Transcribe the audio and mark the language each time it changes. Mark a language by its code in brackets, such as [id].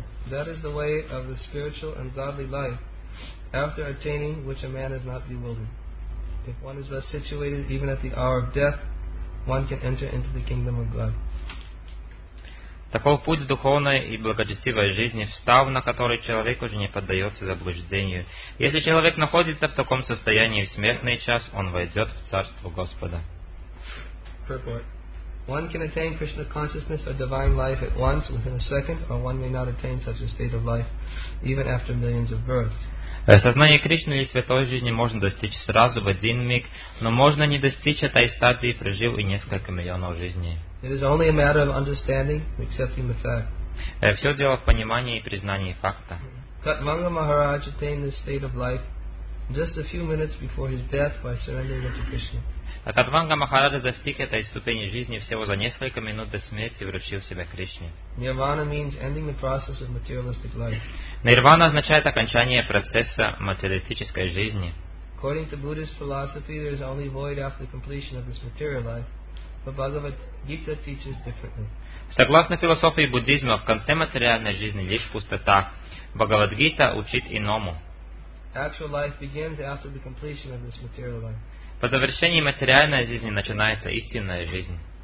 [en] That is the way of the spiritual and godly life, after attaining which a man is not bewildered. If one is thus situated, even at the hour of death, one can enter into the kingdom of God. [ru] Таков путь духовной и благочестивой жизни, встав на который человек уже не поддается заблуждению. Если человек находится в таком состоянии в смертный час, он войдет в Царство Господа. [en] Purport. One can attain Krishna consciousness or divine life at once within a second, or one may not attain such a state of life even after millions of births. [ru] Сознание Кришны или святой жизни можно достичь сразу в один миг, но можно не достичь этой стадии, прожив и несколько миллионов жизней. [en] It is only a matter of understanding, accepting the fact. [ru] Все дело в понимании и признании факта. [en] Катманга Махарадж attained this state of life just a few minutes before his death by surrendering to Krishna. [ru] А Катванга Махараджа достиг этой ступени жизни всего за несколько минут до смерти, вручив себя Кришне. [en] Nirvana means ending the process of materialistic life. [ru] Нирвана означает окончание процесса материалистической жизни. [en] According to Buddhist philosophy, there is only void after the completion of this material life, but Bhagavad Gita teaches differently. [ru] Согласно философии буддизма, в конце материальной жизни лишь пустота. Бхагавад Гита учит иному. [en] Actual life begins after the completion of this material life. [ru] По завершении материальной жизни начинается истинная жизнь.